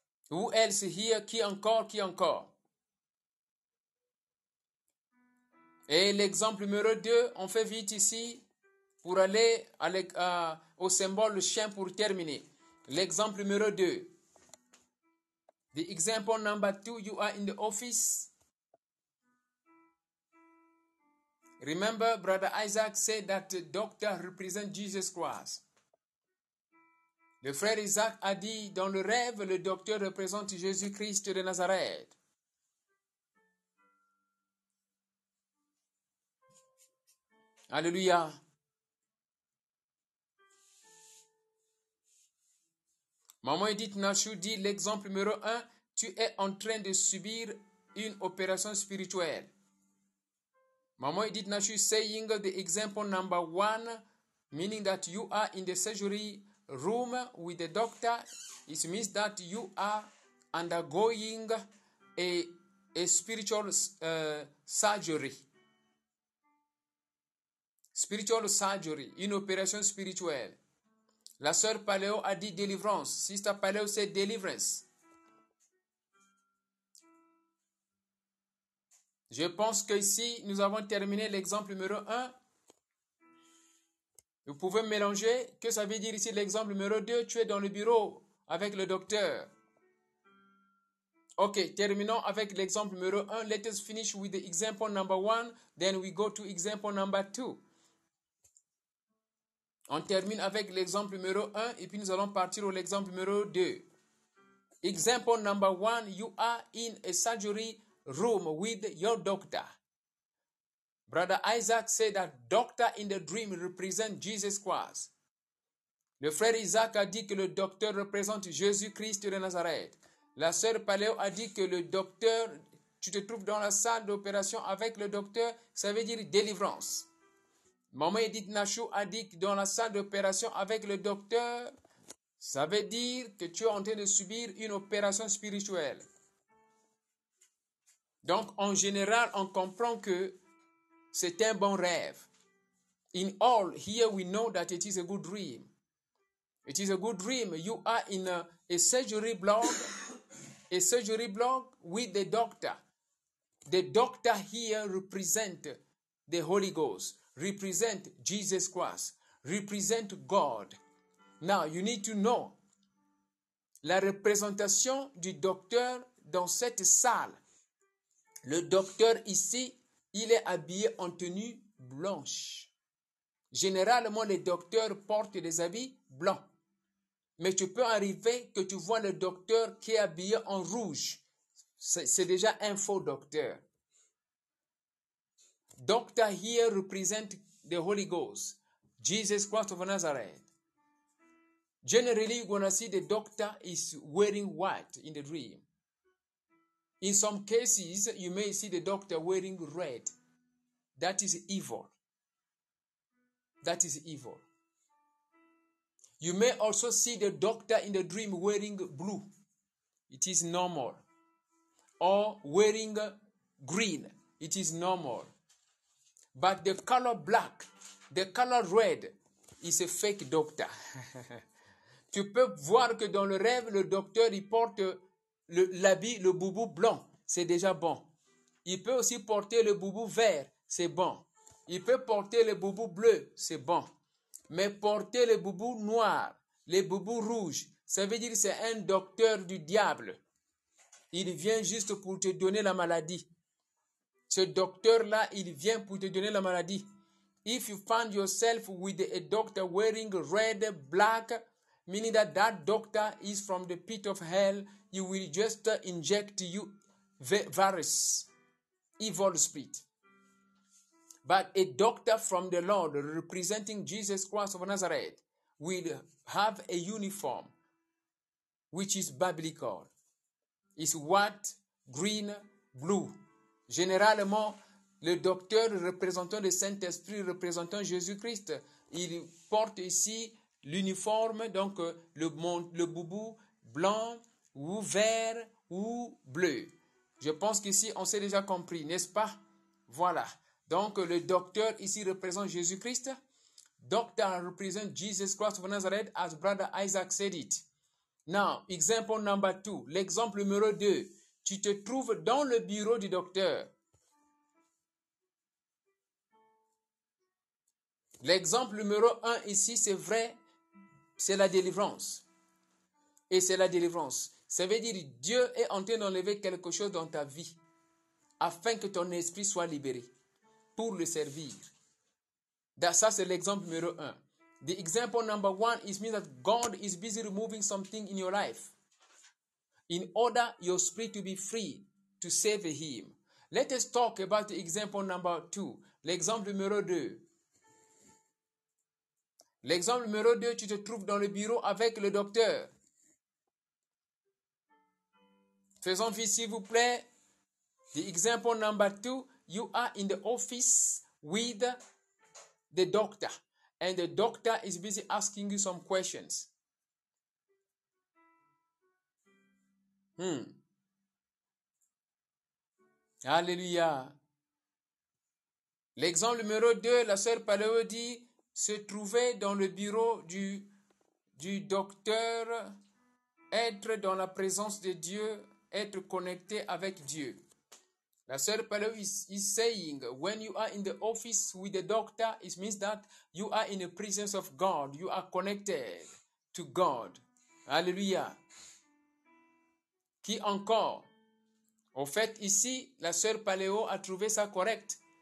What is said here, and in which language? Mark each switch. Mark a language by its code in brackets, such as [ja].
[en] Who else here? [fr] Qui encore? Et l'exemple numéro 2, on fait vite ici pour aller au symbole chien pour terminer. L'exemple numéro 2. [en] The example number 2, you are in the office. Remember, Brother Isaac said that the doctor represents Jesus Christ. [fr] Le frère Isaac a dit, dans le rêve, le docteur représente Jésus-Christ de Nazareth. Alléluia. Maman Edith Nashu dit l'exemple numéro 1, tu es en train de subir une opération spirituelle. [en] Maman Edith Nashu saying the example number 1, meaning that you are in the surgery room with the doctor, it means that you are undergoing a spiritual surgery. Spiritual surgery, [fr] une opération spirituelle. La sœur Paléo a dit délivrance. Sister Paléo, c'est délivrance. Je pense que ici, nous avons terminé l'exemple numéro 1. Vous pouvez mélanger. Que ça veut dire ici l'exemple numéro 2? Tu es dans le bureau avec le docteur. Ok, terminons avec l'exemple numéro 1. [en] Let us finish with the example number 1. Then we go to example number 2. [fr] On termine avec l'exemple numéro 1 et puis nous allons partir au l'exemple numéro 2. [en] Example number 1. You are in a surgery room with your doctor. Brother Isaac said that doctor in the dream represents Jesus Christ. [fr] Le frère Isaac a dit que le docteur représente Jésus-Christ de Nazareth. La sœur Paléo a dit que le docteur, tu te trouves dans la salle d'opération avec le docteur, ça veut dire délivrance. Maman Edith Nachou a dit que dans la salle d'opération avec le docteur, ça veut dire que tu es en train de subir une opération spirituelle. Donc, en général, on comprend que c'est un bon rêve. [en] In all, here we know that it is a good dream. It is a good dream. You are in a surgery block with the doctor. The doctor here represent the Holy Ghost, represent Jesus Christ, represent God. Now, you need to know, [fr] la représentation du docteur dans cette salle, le docteur ici, il est habillé en tenue blanche. Généralement, les docteurs portent des habits blancs. Mais tu peux arriver que tu vois le docteur qui est habillé en rouge. C'est déjà un faux docteur. [en] Doctor here represents the Holy Ghost, Jesus Christ of Nazareth. Generally, you're going to see the doctor is wearing white in the dream. In some cases, you may see the doctor wearing red. That is evil. That is evil. You may also see the doctor in the dream wearing blue. It is normal. Or wearing green. It is normal. But the color black, the color red, is a fake doctor. [fr] Tu peux voir que dans le rêve, le docteur il porte l'habit, le boubou blanc. C'est déjà bon. Il peut aussi porter le boubou vert. C'est bon. Il peut porter le boubou bleu. C'est bon. Mais porter les boubous noirs, les boubous rouges, ça veut dire que c'est un docteur du diable. Il vient juste pour te donner la maladie. Ce docteur-là, il vient pour te donner la maladie. [en] If you find yourself with a doctor wearing red, black, meaning that that doctor is from the pit of hell, he will just inject you virus, evil spirit. But a doctor from the Lord representing Jesus Christ of Nazareth will have a uniform which is biblical. It's white, green, blue. [fr] Généralement, le docteur représentant le Saint-Esprit, représentant Jésus-Christ, il porte ici l'uniforme, donc le boubou blanc ou vert ou bleu. Je pense qu'ici, on s'est déjà compris, n'est-ce pas? Voilà. Donc, le docteur ici représente Jésus-Christ. [en] Doctor represents Jesus Christ of Nazareth, as Brother Isaac said it. Now, example number 2. [fr] L'exemple numéro 2. Tu te trouves dans le bureau du docteur. L'exemple numéro 1 ici, c'est vrai. C'est la délivrance. Et c'est la délivrance. Ça veut dire Dieu est en train d'enlever quelque chose dans ta vie afin que ton esprit soit libéré. Pour le servir. Ça, c'est l'exemple numéro 1. [en] The example number 1 is means that God is busy removing something in your life in order your spirit to be free to save him. Let us talk about the example number 2. [fr] L'exemple numéro 2. L'exemple numéro 2, tu te trouves dans le bureau avec le docteur. Faisons vite, s'il vous plaît. [en] The example number 2. You are in the office with the doctor. And the doctor is busy asking you some questions. Alléluia. [fr] L'exemple numéro 2, la sœur Paléo dit, se trouver dans le bureau du docteur, être dans la présence de Dieu, être connecté avec Dieu. [en] La sœur Paléo is saying, when you are in the office with the doctor, it means that you are in the presence of God. You are connected to God. Alléluia. [fr] Qui encore? Au fait, ici, la sœur Paléo a trouvé ça correct.